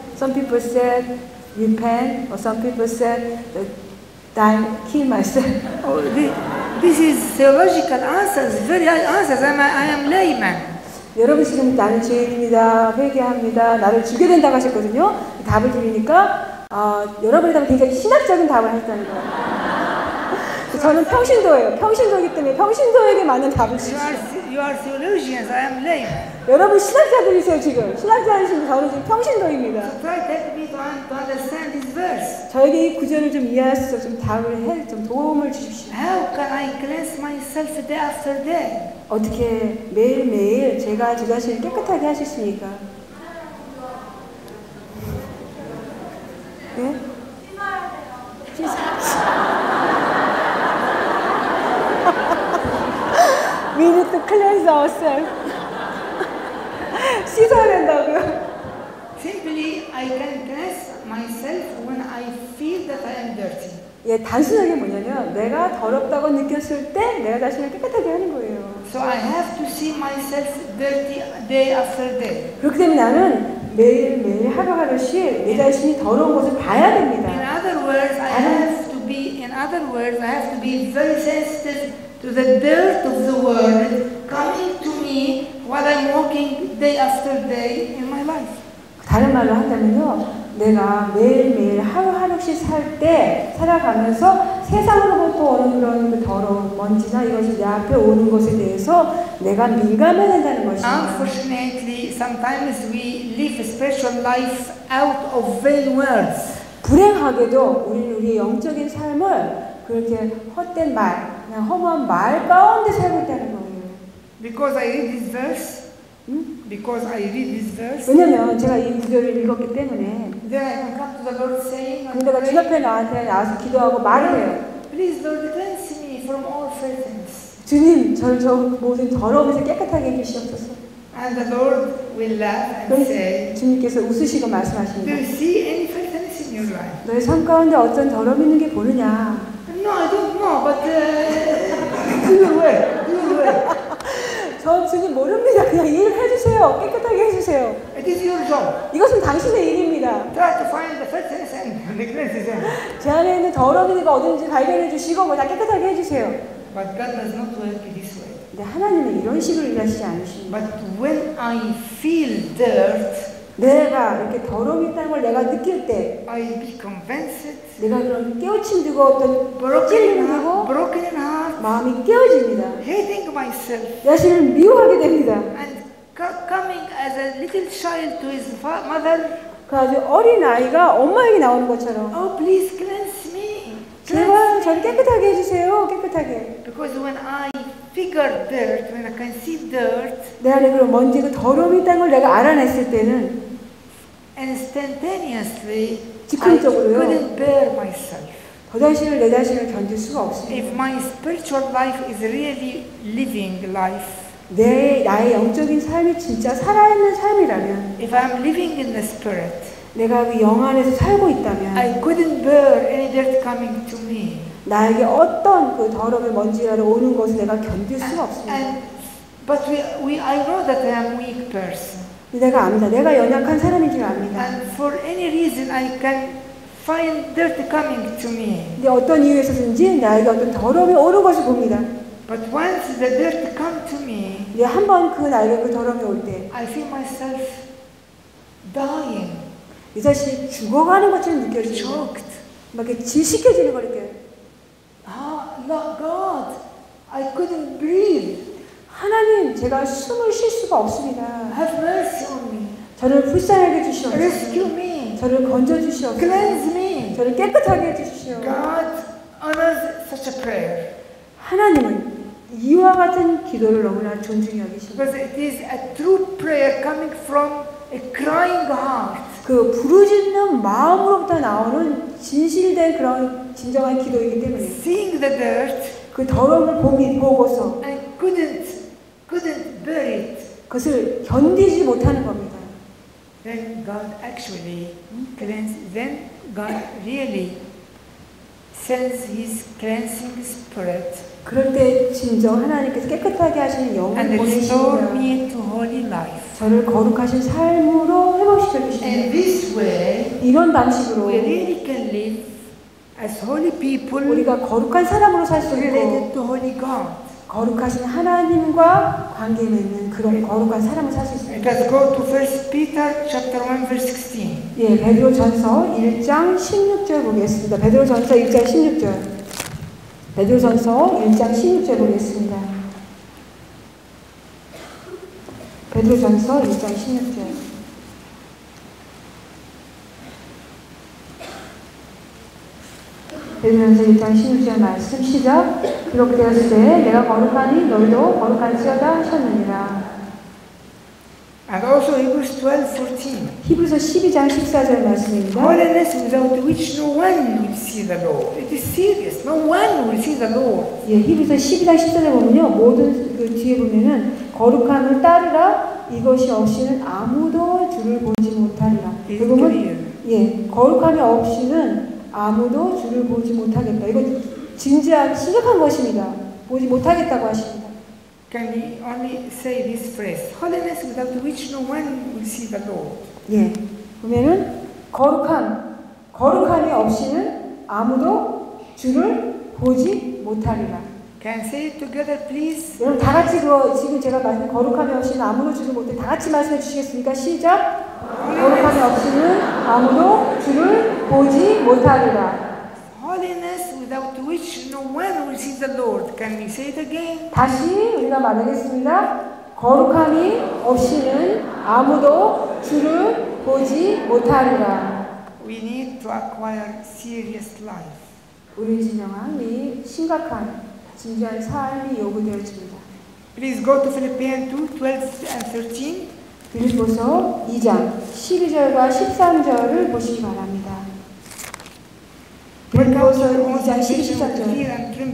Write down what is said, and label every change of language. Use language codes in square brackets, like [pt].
[en] Some people said, repent. Or some people said, die, kill myself. Oh, this is theological answers, very high answers. I am layman. [ko] 여러분 지금 나는 죄인입니다. 회개합니다. 나를 죽여야 된다고 하셨거든요. 답을 드리니까 여러분의 답은 굉장히 신학적인 답을 하셨다는 거예요. 저는 평신도예요. 평신도이기 때문에 평신도에게 맞는 답을 주시죠. [en] You are theologians, I am lay. [ko] 여러분 신학자들이세요 지금. 신학자이신 저는 지금 평신도입니다. [en] So try to help me to understand this verse. [ko] 저에게 이 구절을 좀 이해해서 좀 답을 해, 좀 도움을 주십시오. [en] How can I cleanse myself day after day? [ko] 어떻게 매일 매일 제가 제 자신을 깨끗하게 하시십니까? 네? 씻어야 돼요. [en] We need to cleanse ourselves. [ko] 씻어야 된다고요? [en] Simply, I can cleanse myself when I feel that I am dirty. [ko] 예, 단순하게 뭐냐면 내가 더럽다고 느꼈을 때 내가 자신을 깨끗하게 하는 거예요. [en] So I have to see myself dirty day after day. [ko] 그렇기 때문에 나는 매일 매일 하루하루씩 내 자신이 더러운 것을 봐야 됩니다. [en] In other words, I have to be. In other words, I have to be very sensitive to the dirt of the world coming to me while I'm walking day after day in my life. [ko] 다른 말로 한다면요, 내가 매일 매일 하루하루씩 살 때 살아가면서 세상으로부터 오는 그런 더러운 먼지나 이것이 내 앞에 오는 것에 대해서 내가 민감해야 된다는 것입니다. [en] Unfortunately, sometimes we live a special life out of vain words. [ko] 불행하게도 우리 영적인 삶을 그렇게 헛된 말, 그냥 허무한 말 가운데 살고 있다는 거예요. [en] Because I read this verse. Because I read this verse. [ko] 왜냐면 제가 이 구절을 읽었기 때문에. [en] Then I come to the Lord saying. [ko] 근데 내가 주 앞에 나한테 나와서 기도하고 말을 해요. [en] Please Lord cleanse me from all filthiness. [ko] 주님, 저를 저 모든 더러움에서 깨끗하게 해주시옵소서. [en] And the Lord will laugh and say. [ko] 주님께서 웃으시고 말씀하십니다. [en] Do you see any filthiness in your life? [ko] 너의 삶 가운데 어떤 더러움 있는 게 보느냐? [en] No, I don't know, but. [ko] 왜? 저 주님 모릅니다. 그냥 일 해주세요. 깨끗하게 해주세요. [en] It is your job. [ko] 이것은 당신의 일입니다. [en] Try to find the filthiness and cleanse it. [ko] 제 안에 있는 더러움이가 어딘지 발견해 주시고 뭐 다 깨끗하게 해주세요. [en] But God does not work this way. [ko] 근데 하나님은 이런 식으로 일하시지 않으십니다. [en] But when I feel dirt, [ko] 내가 이렇게 더러움이 있다는 걸 내가 느낄 때, [en] I be convinced. [ko] 내가 그런 깨우침 두고 어떤 찔림 두고 [en] broken heart, [ko] 마음이 깨어집니다. [en] Hating myself, [ko] 자신을 미워하게 됩니다. [en] And coming as a little child to his mother, [ko] 그 아주 어린 아이가 엄마에게 나오는 것처럼. [en] Oh, please cleanse me. [ko] 제발 저를 깨끗하게 해주세요. 깨끗하게. [en] Because when I figure dirt, when I can see dirt, [ko] 내 안에 그런 먼지가 더러움이 있다는 걸 내가 알아냈을 때는 [en] instantaneously. [ko] 즉흥적으로요. [en] I couldn't bear myself. [ko] 더 자신을 내 자신을 견딜 수가 없습니다. [en] If my spiritual life is really living life, [ko] 나의 영적인 삶이 진짜 살아있는 삶이라면, [en] if I'm living in the spirit, [ko] 내가 그 영 안에서 살고 있다면, [en] I couldn't bear any dirt coming to me. [ko] 나에게 어떤 그 더러움의 먼지라도 오는 것을 내가 견딜 수가 없습니다. [en] But I know that I am weak person. [ko] 내가 압니다. 내가 연약한 사람인 줄 압니다. [en] And for any reason, I can find dirt coming to me. [ko] 근데 어떤 이유에서든지 나에게 어떤 더러움이 오는 것을 봅니다. [en] But once the dirt come to me, [ko] 이제 한 번 그 나에게 그 더러움이 올 때, [en] I feel myself dying. [ko] 이 자신이 죽어가는 것처럼 느껴져요. [en] Choked. [ko] 막 이렇게 질식해지는 걸 이렇게. [en] Oh, God, I couldn't breathe. [ko] 하나님, 제가 숨을 쉴 수가 없습니다. [en] Have mercy on me. [ko] 저를 불쌍하게 주시옵소서. [en] Rescue me. [ko] 저를 건져 주시옵소서. [en] Cleanse me. [ko] 저를 깨끗하게 주시옵소서. [en] God honors such a prayer. [ko] 하나님은 이와 같은 기도를 너무나 존중히 여기십니다. [en] Because it is a true prayer coming from a crying heart. [ko] 그 부르짖는 마음으로부터 나오는 진실된 그런 진정한 기도이기 때문에. [en] Seeing the dirt. [ko] 그 더러움을 보고서. [en] Couldn't bear it. [ko] 그것을 견디지 못하는 겁니다. [en] Then God actually cleanses. Then God really sends His cleansing spirit. [ko] 그럴 때 진정 하나님께서 깨끗하게 하시는 영을 보내시며 [en] me to holy life. [ko] 저를 거룩하신 삶으로 회복시켜 주십니다. [en] And this way, [ko] 이런 방식으로 [en] we really can live as holy people. [ko] 우리가 거룩한 사람으로 살 수 있고 [en] related to holy God. [ko] 거룩하신 하나님과 관계 맺는 그런 거룩한 사람을 살 수 있습니다. [en] Let's go to 1 Peter chapter 1 verse 16. [ko] 예, 베드로 전서 1장 16절 보겠습니다. 베드로 전서 1장 16절. 베드로전서 1장 16절 보겠습니다. 베드로전서 1장 16절. 베드로전서 1장 16절 말씀 시작. 그렇게 되었을 때 내가 거룩하니 너희도 거룩할지어다 하셨느니라. [en] And also Hebrews 12:14. [ko] 히브리서 12장 14절 말씀입니다. [en] Holiness without which no one will see the Lord. It is serious. No one will see the Lord. [ko] 예, 히브리서 12장 14절 보면요, 모든 그 뒤에 보면은 거룩함을 따르라 이것이 없이는 아무도 주를 보지 못하리라. 그러면 예, 거룩함이 없이는 아무도 주를 보지 못하겠다. 이거 진지한 심각한 것입니다. 보지 못하겠다고 하십니다. [en] Can we only say this phrase, holiness without which no one will see the Lord? [ko] 예, 그러면은 거룩함이 없이는 아무도 주를 보지 못하리라. [en] Can say it together, please. [ko] 여러분 다 같이 그 지금 제가 말씀 거룩함이 없이는 아무도 주를 못해 다 같이 말씀해 주시겠습니까? 시작. [en] Holiness. [ko] 거룩함이 없이는 아무도 주를 보지 못하리라. [en] Holiness without which no one will see the Lord. Can we say it again? [ko] 다시 우리가 말하겠습니다. 거룩함이 없이는 아무도 주를 보지 못하리라. [en] We need to acquire serious life. [ko] 우리 진정함이 심각한 진지한 삶이 요구되어집니다. [en] Please go to Philippians 2, 12 and 13. [ko] 빌립보서 2장 12절과 13절을 보시기 바랍니다. 빌립보서 2장 12, 13절.